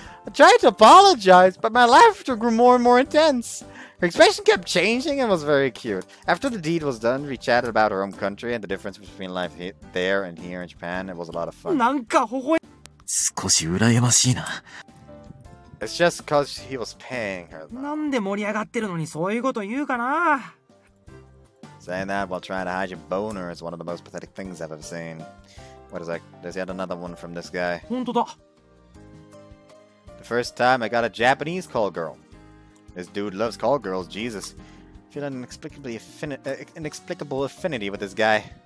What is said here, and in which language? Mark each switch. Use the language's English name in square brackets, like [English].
[English] I tried to apologize, but my laughter grew more and more intense. Her expression kept changing and was very cute. After the deed was done, we chatted about her home country and the difference between life there and here in Japan. It was a lot of fun. [Japanese] なんか微笑少し羨ましいな。 [English] It's just cause he was paying her, though. [Japanese] なんで盛り上がってるのにそういうこと言うかな? [English] Saying that while trying to hide your boner is one of the most pathetic things I've ever seen. What is that? There's yet another one from this guy. [Japanese] 本当だ。 [English] The first time I got a Japanese call girl. This dude loves call girls, Jesus. Feeling inexplicable affinity with this guy.